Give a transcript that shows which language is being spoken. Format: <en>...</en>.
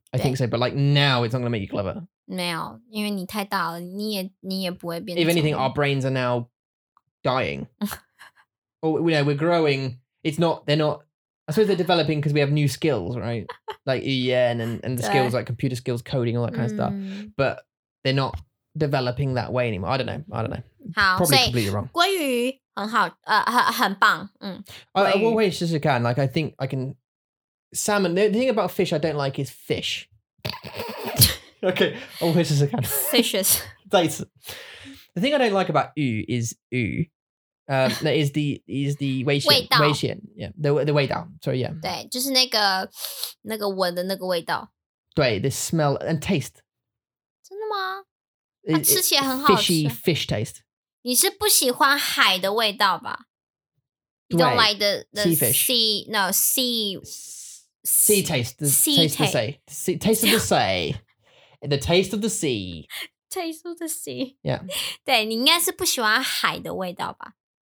<en>I think so, but like now, it's not gonna make you clever.</en> <zh>没有，因为你太大了，你也不会变。</zh> <en>If anything, our brains are now dying. Oh, you know, we're growing. It's not. They're not. I suppose they're developing because we have new skills, right? Like EN and the skills, like computer skills, coding, all that kind of stuff. But they're not developing that way anymore. I don't know.</en> <zh>好,</zh> <en>probably completely wrong.</en> <zh>鲑鱼很好, 很棒, 嗯,</zh> <en>I will wait as I can. Like, I think I can... Salmon, the thing about fish I don't like is fish. Okay, I'll wait as I can. Fishes. The thing I don't like about 鱼 is 鱼. That is the 味</en> <zh>道,</zh> <en>味道, yeah, the 味道, sorry, yeah.</en> <zh>对,就是那个,那个闻的那个味道。对,</zh> <en>the smell and taste.</en> <zh>真的吗?它吃起来很好吃。</zh> <en>Fishy fish taste.</en> <zh>你是不喜欢海的味道吧?</zh> <en>You don't like the sea fish. Sea, no, sea taste. The sea taste of the sea. Taste of the sea. The taste of the sea. Taste of the sea. Yeah.</en> <zh>对,你应该是不喜欢海的味道吧?</zh>